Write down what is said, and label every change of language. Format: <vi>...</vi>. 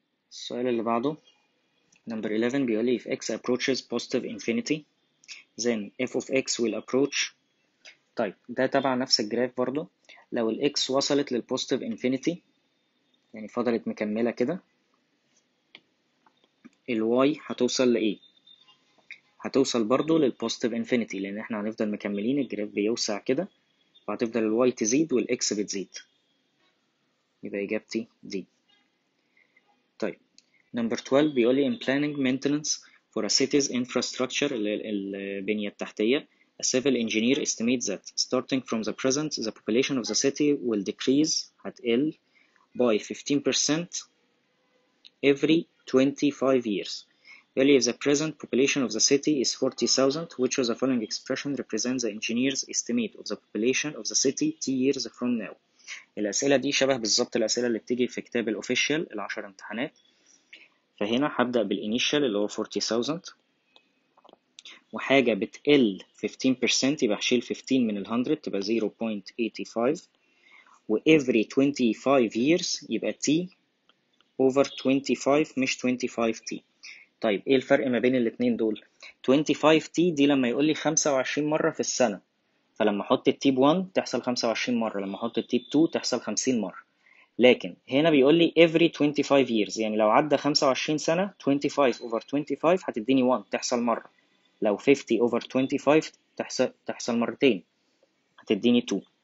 <ar>السؤال اللي بعده</ar> <en>number 11 بيقول لي if x approaches positive infinity then f of x will approach.</en> <ar>طيب ده تبع نفس الجراف برضو, لو ال x وصلت لل positive infinity يعني فضلت مكملة كده, ال y هتوصل لإيه؟ هتوصل برضو لل positive infinity, لأن احنا هنفضل مكملين الجراف بيوسع كده, فهتفضل ال y تزيد وال x بتزيد, يبقى إجابتي D.</ar> <en>طيب number 12 بيقول لي in planning maintenance for a city's infrastructure</en> <ar>البنية التحتية,</ar> <en>a civil engineer estimates that starting from the present the population of the city will decrease at L by 15% every 25 years.</en> <ar>بيقول لي</ar> <en>if the present population of the city is 40,000, which of the following expression represents the engineer's estimate of the population of the city 10 years from now.</en> <ar>الأسئلة دي شبه بالظبط الأسئلة اللي بتيجي في كتاب الأوفيشال العشر امتحانات. فهنا هبدأ بالانيشال اللي هو 40,000, وحاجة بتقل 15%، يبقى هشيل 15 من ال 100 تبقى 0.85. و every 25 years يبقى t over 25 مش 25t. طيب ايه الفرق ما بين الاثنين دول؟ 25t دي لما يقول لي 25 مرة في السنة، فلما احط t ب 1 تحصل 25 مرة، لما احط t ب 2 تحصل 50 مرة. لكن هنا بيقول لي every 25 years، يعني لو عدى 25 سنة 25 over 25 هتديني 1 تحصل مرة، لو 50 over 25 تحصل مرتين هتديني 2.</ar>